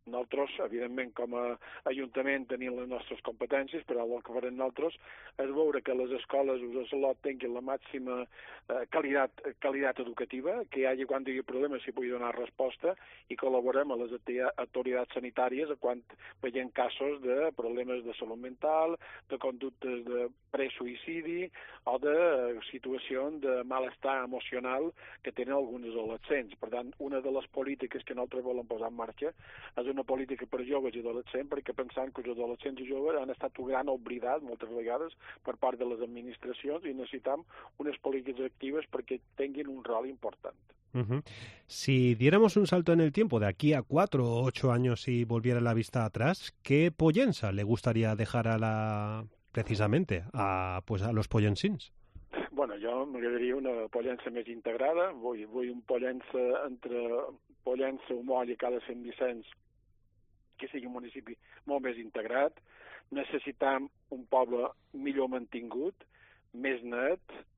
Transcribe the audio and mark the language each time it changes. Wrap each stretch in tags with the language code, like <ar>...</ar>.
<ca>Nosaltres, evidentment, com a ajuntament tenim les nostres competències, però el que farem nosaltres és veure que les escoles us eslot tinguin la màxima qualitat educativa, que hi hagi quan digui problemes si pugui donar resposta, i col·laborem amb les autoritats sanitàries quan veiem casos de problemes de salut mental, de conductes de presuïcidi o de situació de malestar emocional que tenen alguns adolescents. Per tant, una de les polítiques que nosaltres volem posar en marxa és una política per joves i adolescents, perquè pensant que els adolescents i joves han estat un gran oblidat moltes vegades per part de les administracions, i necessitem unes polítiques actives perquè tinguin un rol important.</ca> <es>Si diéramos un salto en el tiempo de aquí a 4 o 8 años y volviera la vista atrás, ¿qué Pollença le gustaría dejar precisamente a los pollensins?</es> <ca>Bueno, jo m'agradaria una Pollença més integrada. Vull un Pollença entre Pollença, Humoll i Cala Sant Vicenç que sigui un municipi molt més integrat. Necessitem un poble millor mantingut, més net.</ca>